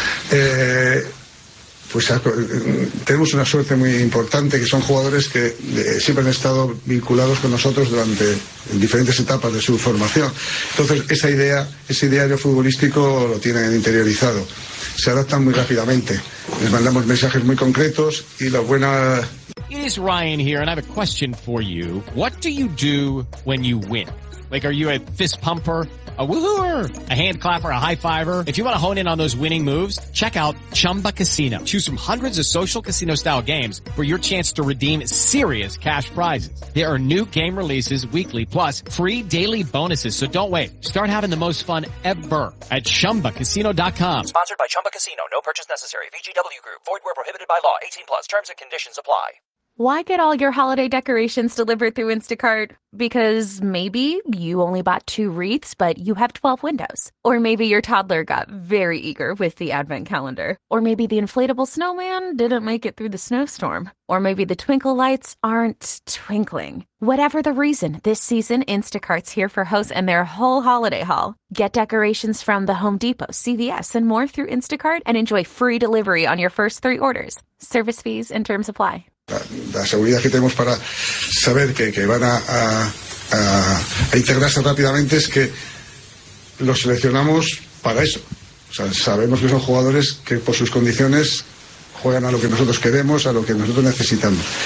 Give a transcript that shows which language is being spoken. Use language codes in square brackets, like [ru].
[es] Pues tenemos una suerte muy importante, que son jugadores que siempre han estado vinculados con nosotros durante diferentes etapas de su formación. Entonces, esa idea, ese ideario futbolístico lo tienen interiorizado. Se adaptan muy rápidamente. Les mandamos mensajes muy concretos y la buena. [en] It is Ryan here, and I have a question for you. What do you do when you win? Like, are you a fist pumper, a woohooer, a hand clapper, a high fiver? If you want to hone in on those winning moves, check out Chumba Casino. Choose from hundreds of social casino style games for your chance to redeem serious cash prizes. There are new game releases weekly, plus free daily bonuses. So don't wait. Start having the most fun ever at ChumbaCasino.com. Sponsored by Chumba Casino. No purchase necessary. VGW Group. Void where prohibited by law. 18 plus. Terms and conditions apply. Why get all your holiday decorations delivered through Instacart? Because maybe you only bought 2 wreaths, but you have 12 windows. Or maybe your toddler got very eager with the advent calendar. Or maybe the inflatable snowman didn't make it through the snowstorm. Or maybe the twinkle lights aren't twinkling. Whatever the reason, this season, Instacart's here for hosts and their whole holiday haul. Get decorations from the Home Depot, CVS, and more through Instacart and enjoy free delivery on your first 3 orders. Service fees and terms apply. [es] La seguridad que tenemos para saber que van a integrarse rápidamente es que los seleccionamos para eso. O sea, sabemos que son jugadores que por sus condiciones juegan a lo que nosotros queremos, a lo que nosotros necesitamos.